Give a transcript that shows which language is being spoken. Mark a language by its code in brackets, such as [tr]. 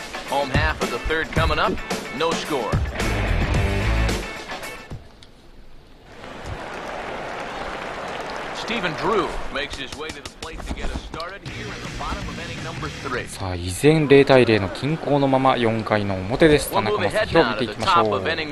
[ja] ホームハーフのスリーコミングアップ、ノースコア。 [en] Stephen Drew makes his way to the plate to get us started here in the bottom of inning number three. [ja] さあ依然0対0の均衡のまま4回の表です。田中将大を見ていきましょう。